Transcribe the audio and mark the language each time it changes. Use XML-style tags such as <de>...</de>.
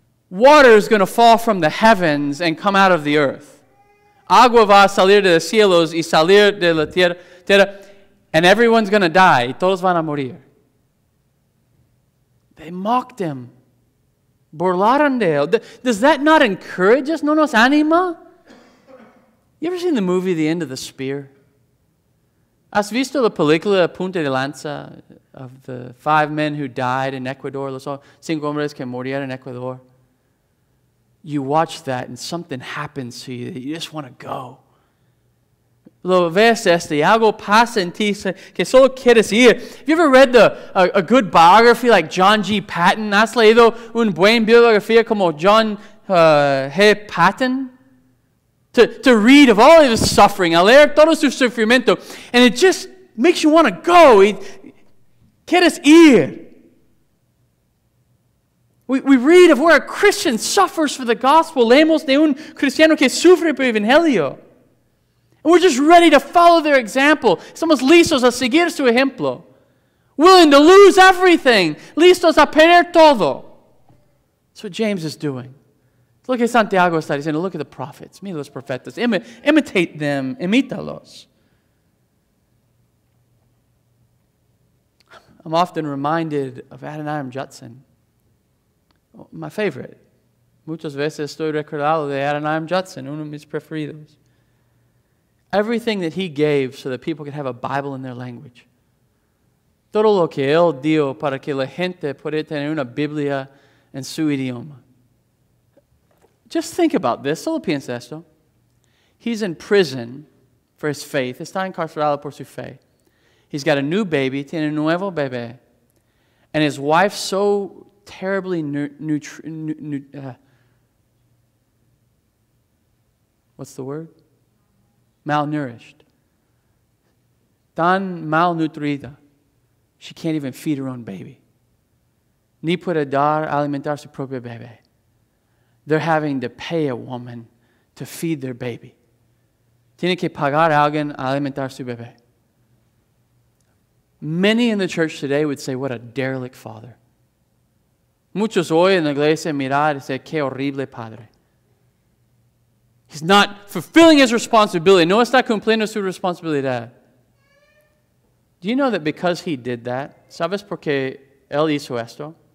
<en>Water is going to fall from the heavens and come out of the earth.</en> <es>Agua va a salir de los cielos y salir de la tierra.</es> <en>And everyone's going to die.</en> <es>Todos van a morir.</es> <en>They mocked him.</en> <es>Burlaron de él.</es> <en>Does that not encourage us?</en> <es>¿No nos anima?</es> <en>You ever seen the movie The End of the Spear?</en> <es>¿Has visto la película Punta de Lanza?</es> <en>Of the five men who died in Ecuador,</en> <es>los cinco hombres que murieron en Ecuador.</es> <en>You watch that and something happens to you that you just want to go.</en> <es>Lo ves este, algo pasa en ti que solo quieres ir.</es> <en>Have you ever read a good biography like John G. Patton?</en> <es>¿Has leído un buen biografía como John G. Patton?</es> <en>To read of all of his suffering,</en> <es>a leer todo su sufrimiento,</es> <en>and it just makes you want to go.</en> <es>Quieres ir.</es> <en>We read of where a Christian suffers for the gospel.</en> <es>Leemos de un cristiano que sufre por el evangelio.</es> <en>And we're just ready to follow their example.</en> <es>Somos listos a seguir su ejemplo.</es> <en>Willing to lose everything.</en> <es>Listos a perder todo.</es> <en>That's what James is doing. Look at</en> <es>Santiago está diciendo,</es> <en>look at the prophets.</en> <es>Mira los profetas.</es> <en>Imitate them.</en> <es>Imítalos.</es> <en>I'm often reminded of Adoniram Judson. My favorite.</en> <es>Muchas veces estoy recordado de Adoniram Judson, uno de mis preferidos.</es> <en>Everything that he gave so that people could have a Bible in their language.</en> <es>Todo lo que él dio para que la gente pudiera tener una Biblia en su idioma.</es> <en>Just think about this.</en> <es>Solo piensa esto.</es> <en>He's in prison for his faith.</en> <es>Está encarcelado por su fe.</es> <en>He's got a new baby,</en> <es>tiene un nuevo bebé.</es> <en>And his wife's so terribly malnourished.</en> <es>Tan malnutrida.</es> <en>She can't even feed her own baby.</en> <es>Ni puede dar alimentar su propio bebé.</es> <en>They're having to pay a woman to feed their baby.</en> <es>Tiene que pagar a alguien a alimentar su bebé.</es> <en>Many in the church today would say, what a derelict father.</en> <es>Muchos hoy en la iglesia mirar y decir, qué horrible padre.</es> <en>He's not fulfilling his responsibility.</en> <es>No está cumpliendo su responsabilidad.</es> <en>Do you know that because he did that,</en> <es>¿sabes por qué él hizo esto?</es>